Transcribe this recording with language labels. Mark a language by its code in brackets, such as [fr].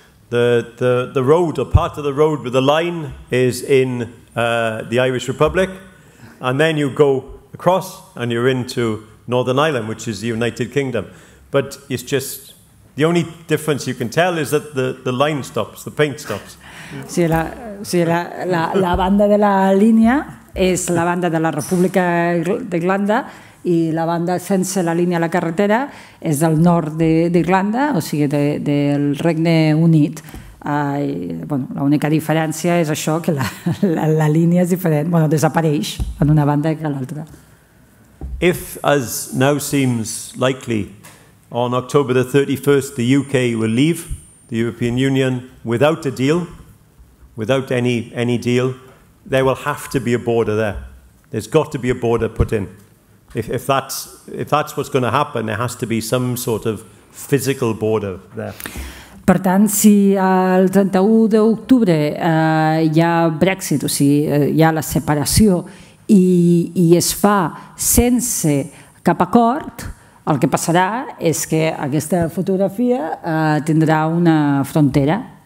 [en] The road, or part of the road with the line, is in the Irish Republic, and then you go across and you're into Northern Ireland, which is the United Kingdom. But it's just, the only difference you can tell is that the line stops, the paint stops. [ca] Sí, la banda de la línia és la banda de la República d'Irlanda i la banda sense la línia a la carretera és del nord d'Irlanda, o sigui, del Regne Unit. Bueno, l'única diferència és això, que la línia és diferent, bueno, desapareix en una banda que a l'altra. [en] If, as now seems likely, on October the 31st the UK will leave the European Union without a deal, without any deal, there will have to be a border there. There's got to be a border put in. If that's what's going to happen, there has to be some sort of physical border there. [ca] Per tant, si el 31 d'octubre hi ha Brexit, o sigui, hi ha la separació i es fa sense cap acord, el que passarà és que aquesta fotografia tindrà una frontera.